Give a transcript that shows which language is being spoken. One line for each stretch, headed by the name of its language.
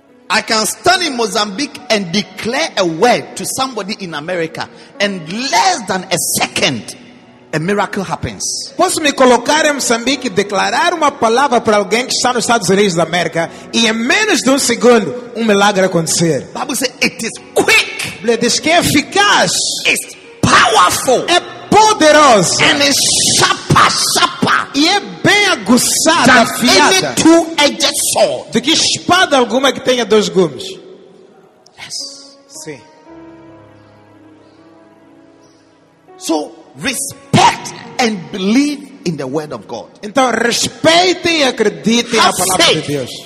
English: I can stand in Mozambique and declare a word to somebody in America, and less than a second, a miracle happens.
Portuguese: Posso me colocar em Moçambique e declarar uma palavra para alguém que está nos Estados Unidos da América e em menos de um segundo milagre acontecer.
English: The Bible says it is quick.
Portuguese: Ele diz que é eficaz.
English: It's powerful.
Portuguese: É poderoso.
English: And it's sharper, sharper.
Portuguese: E é bem aguçada, afiada.
English: Two-edged sword.
Portuguese: Do que espada alguma que tenha dois gumes.
English: Yes.
Portuguese: Sim.
English: So, respect and believe in the word of God.
Portuguese: Então respeite e acredite na palavra de Deus.